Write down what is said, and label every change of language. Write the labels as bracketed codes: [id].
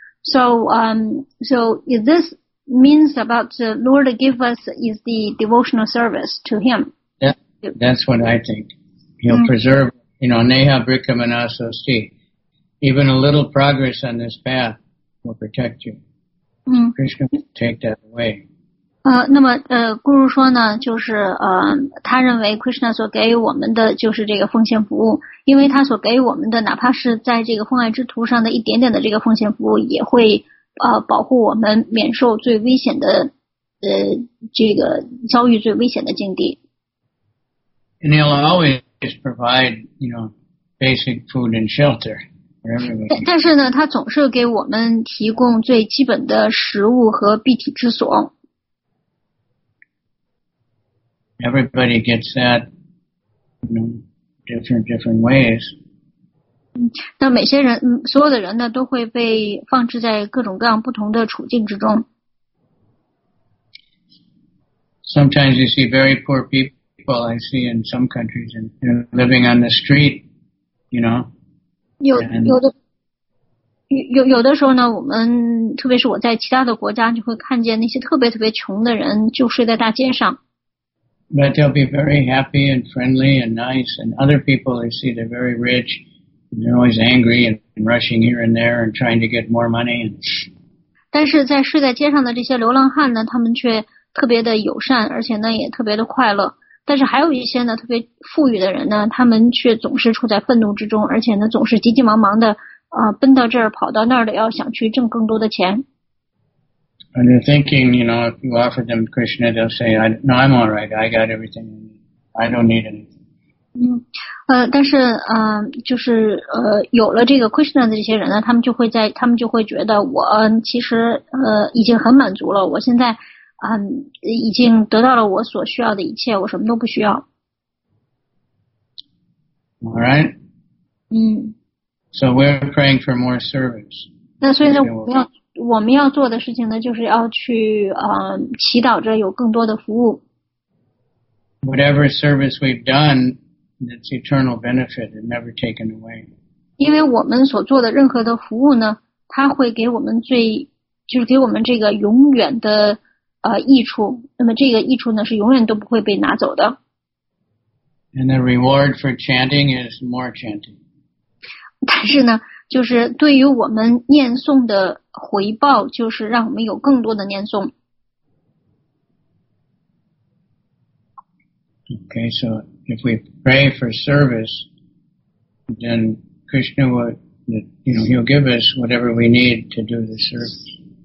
[en] So is this means about Lord give us is the devotional service to him. That's what I think. He'll preserve, you know, [sa] Neha Brikha Manaso Sti. [en] Even a little progress on this path will protect you. Krishna will take that away. [zh] 那么Guru 说呢，就是他认为 Krishna 所给予我们的就是这个奉献服务，因为他所给予我们的哪怕是在这个奉爱之途上的一点点的这个奉献服务，也会保护我们免受最危险的这个遭遇最危险的境地。 [en] And he'll always provide, you know, basic food and shelter for everybody. [zh] 但是呢，他总是给我们提供最基本的食物和蔽体之所。 [en] Everybody gets that, you know, different ways. [zh] 但每些人，所有的人呢，都会被放置在各种各样不同的处境之中。 [en] Sometimes you see very poor people, I see in some countries, and they're living on the street, you know. [zh] 有的时候呢，我们特别是我在其他的国家，就会看见那些特别特别穷的人就睡在大街上。 [en] But they'll be very happy and friendly and nice, and other people they see they're very rich, and they're always angry and rushing here and there and trying to get more money. [zh] 但是在睡在街上的这些流浪汉呢，他们却特别的友善，而且呢也特别的快乐。但是还有一些呢特别富裕的人呢，他们却总是处在愤怒之中，而且呢总是急急忙忙的奔到这儿跑到那儿的，要想去挣更多的钱。 [en] And they're thinking, you know, if you offer them Krishna, they'll say, no, I'm all right, I got everything I need. I don't need anything. [zh] 但是就是有了这个 Krishna 的这些人呢，他们就会觉得我其实已经很满足了，我现在已经得到了我所需要的一切，我什么都不需要。 [en] All right. So we're praying for more service. [zh] 那所以呢，我们要做的事情呢，就是要去祈祷着有更多的服务。 [en] Whatever service we've done, it's eternal benefit and never taken away. [zh] 因为我们所做的任何的服务呢，它会给我们给我们这个永远的益处。那么这个益处呢，是永远都不会被拿走的。 [en] And the reward for chanting is more chanting. [zh] 但是呢，就是对于我们念诵的回报，就是让我们有更多的念诵。 [en] Okay, so if we pray for service, then Krishna will, you know, he'll give us whatever we need to do the service.